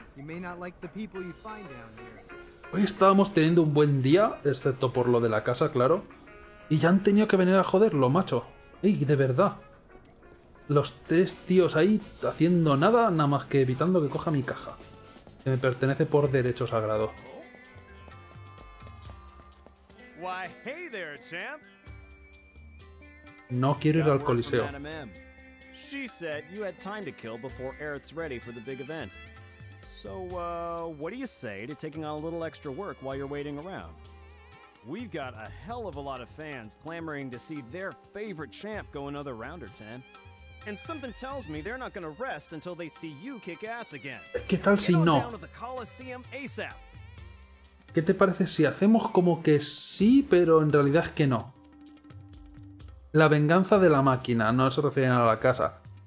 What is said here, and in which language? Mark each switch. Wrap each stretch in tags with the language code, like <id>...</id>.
<en>You may not like the people you find down here.</en> <es>Hoy estábamos teniendo un buen día, excepto por lo de la casa, claro. Y ya han tenido que venir a joderlo, macho. Ey, de verdad. Los tres tíos ahí haciendo nada, nada más que evitando que coja mi caja. Que me pertenece por derecho sagrado.</es> <en>Why, hey there, champ.</en> <es>No quiero ir al Coliseo.</es> <en>She said you had time to kill before Aerith's ready for the big event. So, what do you say to taking on a little extra work while you're waiting around? We've got a hell of a lot of fans clamoring to see their favorite champ go another round or ten. And something tells me they're not gonna rest until they see you kick ass again.</en> <es>¿Qué tal si no?</es> <en>Get on down to the Coliseum ASAP.</en> <es>¿Qué te parece si hacemos como que sí, pero en realidad es que no? La venganza de la máquina, no se refieren a la casa.</es>